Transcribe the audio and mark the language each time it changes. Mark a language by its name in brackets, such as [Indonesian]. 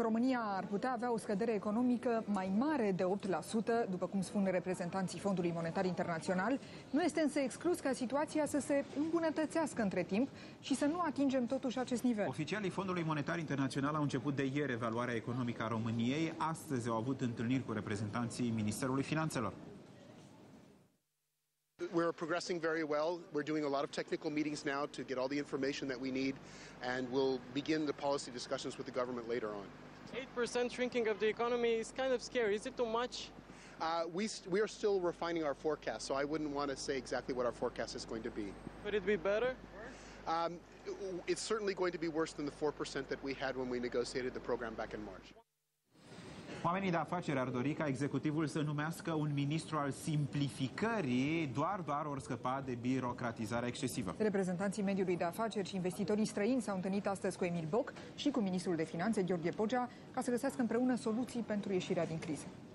[Romanian] România ar putea avea o scădere economică mai mare de 8%, după cum spun reprezentanții Fondului Monetar Internațional. Nu este însă exclus ca situația să se îmbunătățească între timp și să nu atingem totuși acest nivel. Oficialii Fondului Monetar Internațional au început de ieri evaluarea economică a României. Astăzi au avut întâlniri cu reprezentanții Ministerului Finanțelor. [English] We're progressing very well. We're doing a lot of technical meetings now to get all the information that we need, and we'll begin the policy discussions with the government later on. 8% shrinking of the economy is kind of scary. Is it too much? We are still refining our forecast, so I wouldn't want to say exactly what our forecast is going to be. Could it be better? It's certainly going to be worse than the 4% that we had when we negotiated the program back in March. [Romanian] Oamenii de afaceri ar dori ca executivul să numească un ministru al simplificării, doar or scăpa de birocratizarea excesivă. Reprezentanții mediului de afaceri și investitorii străini s-au întâlnit astăzi cu Emil Boc și cu ministrul de finanțe, Gheorghe Pogea, ca să găsească împreună soluții pentru ieșirea din criză.